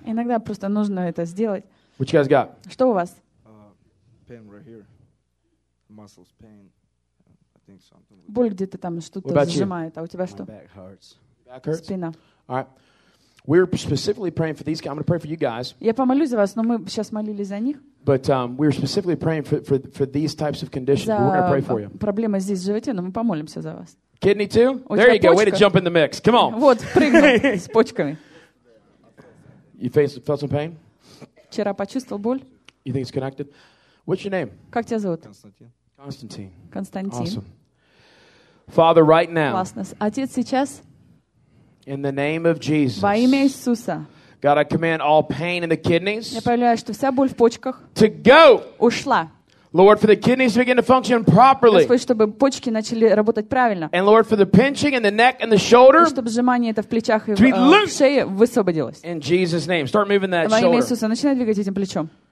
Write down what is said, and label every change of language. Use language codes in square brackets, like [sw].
[ru] Иногда просто нужно это сделать. [en] What you guys got? [ru] Что у вас? [en] Pain right here. Muscles pain. I think something. [ru] Боль где-то там что-то сжимает. А у тебя что? [en] My back hurts. Back hurts. [ru] Спина. [en] All right. We're specifically praying for these guys. I'm going to pray for you guys. [ru] Я помолюсь за вас, но мы сейчас молились за них. [en] But we're specifically praying for these types of conditions. We're going to pray for you. [ru] Проблема здесь в животе, но мы помолимся за вас. [en] Kidney too? There you go. Way to jump in the mix. Come on. [ru] Вот, прыгнул с почками. [en] You felt some pain? [ru] Вчера почувствовал боль. [en] You think it's connected? What's your name? [ru] Как тебя зовут? Константин. Константин. [en] Awesome. Father, right now. [ru] Классно. Отец, сейчас. [en] In the name of Jesus. [ru] Во имя Иисуса. [en] God, I command all pain in the kidneys. [ru] Я повелеваю, что вся боль в почках. [en] To go. [ru] Ушла. [en] Lord, for the kidneys to begin to function properly. [ru] Господь, чтобы почки начали работать правильно. [en] And Lord, for the pinching in the neck and the shoulder. [ru] И чтобы сжимание это в плечах и в шее высвободилось. [en] In Jesus' name, start moving that shoulder. [ru] Во имя Иисуса, начинай двигать этим плечом.